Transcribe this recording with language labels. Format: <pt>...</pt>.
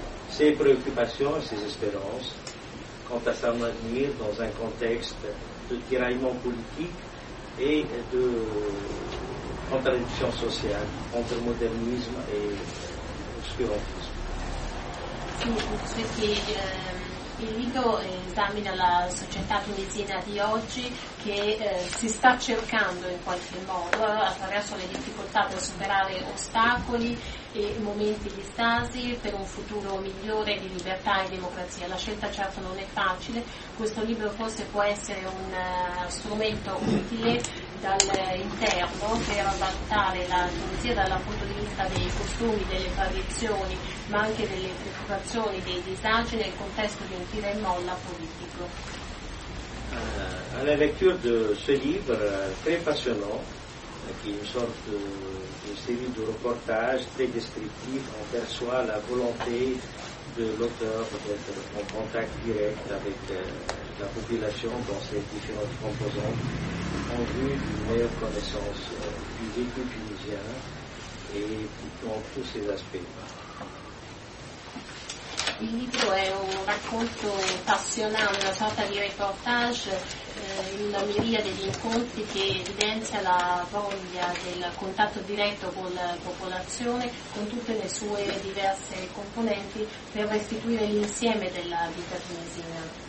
<fr>ses préoccupations et ses espérances quant à son avenir dans un contexte de tiraillement politique et de contradiction sociale entre modernisme et obscurantisme.</fr> <it>Il libro esamina la società tunisina di oggi che si sta cercando in qualche modo attraverso le difficoltà per superare ostacoli e momenti di stasi per un futuro migliore di libertà e democrazia. La scelta certo non è facile, questo libro forse può essere un strumento utile dall'interno per adattare la Tunisia dal punto di vista dei costumi, delle tradizioni, ma anche delle preoccupazioni, dei disagi nel contesto di un tira e molla politico.</it> <fr>Alla lecture de ce livre très passionnant, qui est une sorte d'une série de reportages très descriptifs, on perçoit la volonté de l'auteur d'être en contact direct avec la population dans ses différentes composantes en vue d'une meilleure connaissance du vécu tunisien et dans tous ses aspects.</fr> <it>Il libro è un racconto passionale, una sorta di reportage, una miriade di incontri che evidenzia la voglia del contatto diretto con la popolazione, con tutte le sue diverse componenti, per restituire l'insieme della vita tunisina.</it>